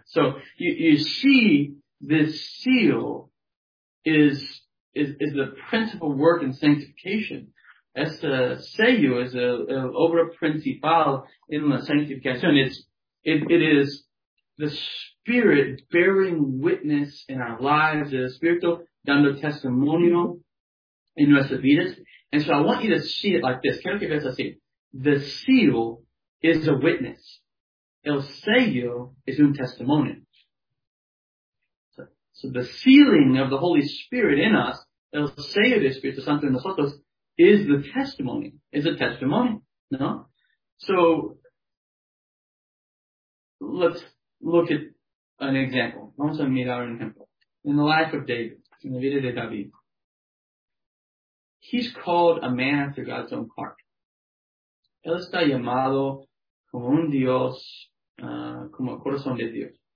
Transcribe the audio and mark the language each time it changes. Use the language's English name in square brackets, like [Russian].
[English] So, you see, this seal is the principal work in sanctification. [Spanish] Este sello es el obra principal en la sanctificación. [English] It is the Spirit bearing witness in our lives, [Spanish] el Espíritu dando testimonio en nuestras vidas. [English] And so I want you to see it like this. [Spanish] Quiero que veas así. [English] The seal is a witness. [Spanish] El sello es un testimonio. [English] So the sealing of the Holy Spirit in us, [Spanish] el sello del Espíritu Santo en nosotros, [English] is the testimony, is a testimony, no? So let's look at an example. Also made out in temple. In the life of David, in the Vida de David, he's called a man after God's own heart. [Spanish] Él está llamado como un Dios, como el corazón de Dios.